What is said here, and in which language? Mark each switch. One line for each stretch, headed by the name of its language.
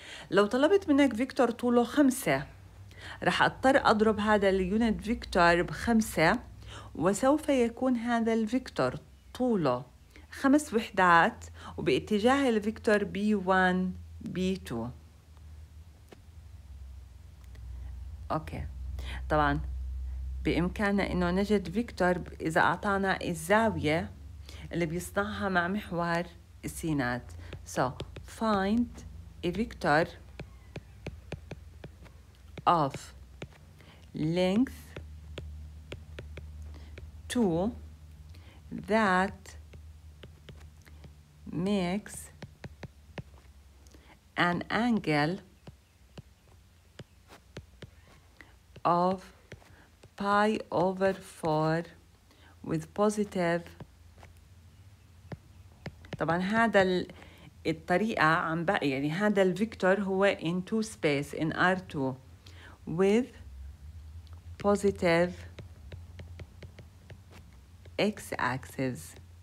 Arabic: لو طلبت منك فيكتور طوله 5, رح أضطر أضرب هذا اليونت فيكتور بخمسة, وسوف يكون هذا الفيكتور طوله 5 وحدات وباتجاه الفيكتور بي 1 بي 2. أوكي, طبعا بإمكاننا إنه نجد فيكتور إذا أعطانا الزاوية اللي بيصنعها مع محور السينات.
English: So find a vector of length 2 that makes an angle of pi over 4 with positive.
Arabic: طبعا هذا الطريقة عم بقى, يعني هذا الفيكتور هو
English: in 2 space in R2 with positive x axis.